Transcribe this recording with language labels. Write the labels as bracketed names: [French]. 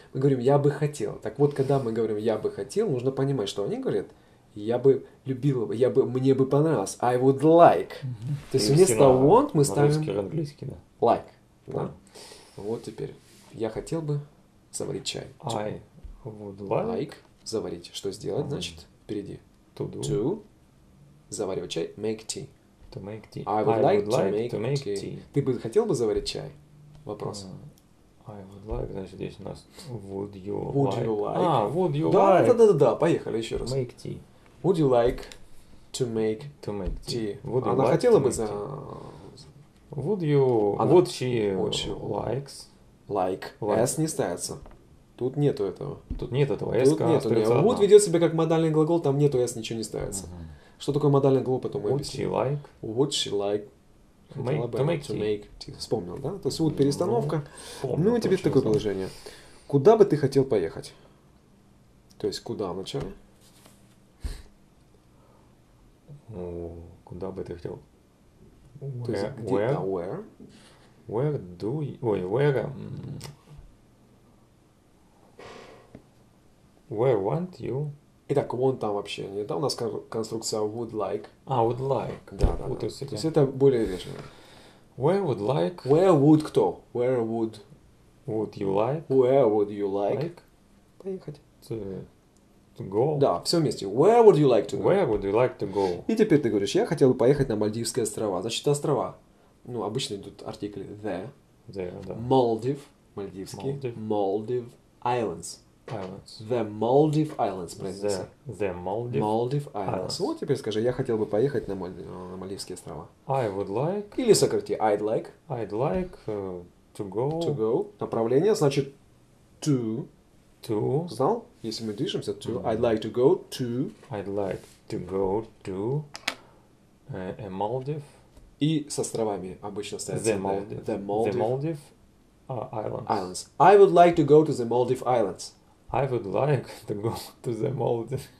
[Russian] Мы говорим, я бы хотел. Так вот, когда мы говорим, я бы хотел, нужно понимать, что они говорят, я бы любил, я бы, мне бы понравилось, [English] I would like. Mm-hmm. [Russian] То есть вместо want мы ставим английский, да. [English] Like. [Russian] Да? [English] Yeah. [Russian] Вот теперь, я хотел бы заварить чай. [English] I would like. [Russian] Like, заварить. Что сделать, mm-hmm. значит, впереди. [English] To do. To, [Russian] заваривать чай, [English] make tea. To make tea. I would like, to make tea. [Russian] Ты бы хотел бы заварить чай? Вопрос. [English] I would like, [Russian] значит, здесь у нас [English] would you would like. You like? Would you да, like. Да, поехали еще раз. Make tea. Would you like to make, tea? Would [Russian] она [English] like [Russian] хотела бы за... [English] Would you... [Russian] Она... [English] Would she likes? [Russian] Like. S не ставится. Тут нету этого. Тут нет этого S, тут нету. А would ведет себя как модальный глагол, там нету S, ничего не ставится. Uh-huh. Что такое модальный глагол, потом мы объясним. [English] Would she like? Would she like? To make tea. [Russian] Вспомнил, да? То есть вот перестановка. Ну и теперь такое положение. Куда бы ты хотел поехать? То есть куда вначале? Куда бы ты хотел? [English] Where? Where do you... Ой, where... Where want you? [Russian] Итак, want там вообще не, да? У нас конструкция would like. А, would like. Да, да, да. То есть это более вежливо. [English] Where would like... Where would кто? Where would... Would you like... Where would you like... [Russian] Поехать. [English] To go. [Russian] Да, все вместе. [English] Where would you like to go? Where would you like to go? [Russian] И теперь ты говоришь, я хотел бы поехать на Мальдивские острова. Значит, острова. Ну, обычно идут артикли the. [English] The, [Russian] да. [English] Maldive. [Russian] Мальдивский. [English] Maldive. Islands. Islands. The Maldive Islands, [Russian] произнеси. [English] The Maldive, Maldive Islands. Islands. [Russian] Вот теперь скажи, я хотел бы поехать на Мальдивские острова. [English] I would like... [Russian] Или сократи, [English] I'd like. I'd like to go... To go. [Russian] Направление, значит, to. [English] To. [Russian] Знал? Если мы движемся, to. [English] Mm-hmm. I'd like to go to... I'd like to go to a Maldive. [Russian] И с островами обычно ставится [English] the Maldive. The Maldive. The Maldive. Islands. Islands. I would like to go to the Maldive Islands. I would like to go to the Maldive.